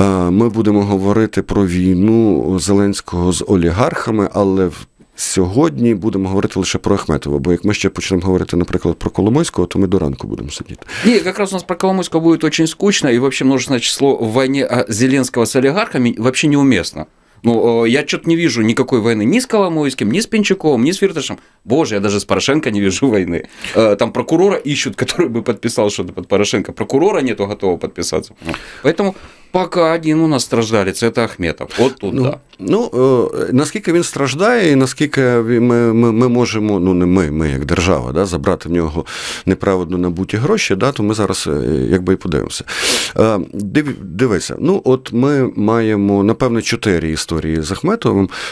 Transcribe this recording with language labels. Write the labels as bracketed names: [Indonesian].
[Ukrainian] Ми будемо говорити про війну Зеленського з олігархами, але сьогодні будемо говорити лише про Ахметова, бо як ми ще почнемо говорити, наприклад, про Коломойського, то ми до ранку будемо сидіти. Ні, якраз у нас про Коломойського буде дуже скучно, і взагалі множинне число в війні Зеленського з олігархами взагалі неуместно. [Russian] Ну, я что-то не вижу никакой войны ни с Коломойским, ни с Пинчуком, ни с Фирташем. Боже, я даже с Порошенко не вижу войны. Там прокурора ищут, который бы подписал что-то под Порошенко. Прокурора нету готового подписаться. Поэтому пока один у нас страждалец, это Ахметов. Вот тут, ну, да. [Ukrainian] Ну, наскільки він страждає і наскільки ми можемо, ну, не ми, ми як держава, да, забрати в нього неправильно набуті гроші, да, то ми зараз якби і подивимося. Дивися, ну, от ми маємо, напевно, чотири історії з Ахметовим.